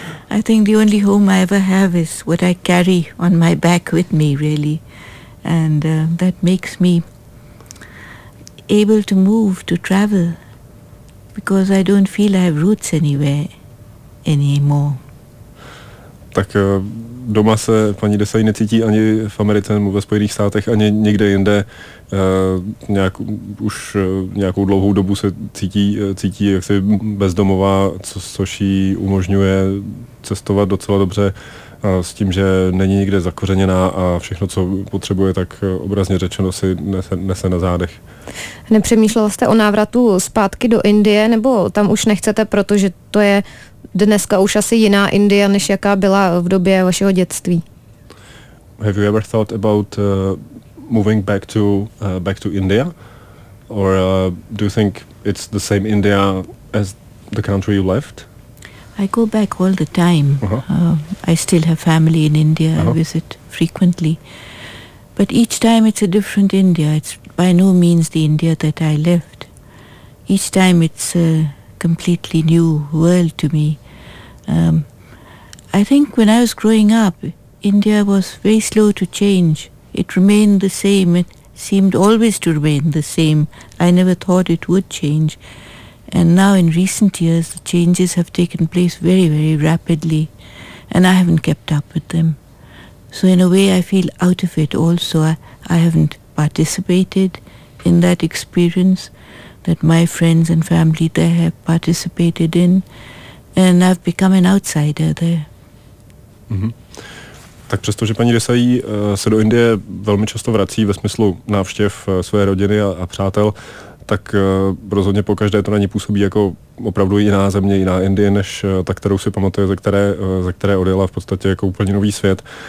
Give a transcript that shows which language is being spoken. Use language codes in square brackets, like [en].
[en] I think the only home I ever have is what I carry on my back with me, really. And that makes me able to move, to travel, because I don't feel I have roots anywhere anymore. [cs] Tak doma se paní Desai necítí ani v Americe, nebo ve Spojených státech, ani někde jinde. Nějakou dlouhou dobu se cítí jaksi bezdomová, což jí umožňuje cestovat docela dobře s tím, že není nikde zakořeněná a všechno, co potřebuje, tak obrazně řečeno si nese na zádech. Nepřemýšlela jste o návratu zpátky do Indie, nebo tam už nechcete, protože to je dneska už asi jiná Indie, než jaká byla v době vašeho dětství? [en] Have you ever thought about moving back to India, or do you think it's the same India as the country you left? I go back all the time. I still have family in India. I visit frequently, but each time it's a different India. It's by no means the India that I left. Each time it's a completely new world to me. I think when I was growing up, India was very slow to change. It remained the same. It seemed always to remain the same. I never thought it would change. And now in recent years, the changes have taken place very, very rapidly. And I haven't kept up with them. So in a way, I feel out of it also. I haven't participated in that experience that my friends and family there have participated in. And I've become an outsider there. Mm-hmm. [cs] Tak přesto, že paní Desai se do Indie velmi často vrací ve smyslu návštěv své rodiny a přátel, tak rozhodně po každé to na ní působí jako opravdu jiná země, jiná Indie, než ta, kterou si pamatuje, ze které odjela, v podstatě jako úplně nový svět.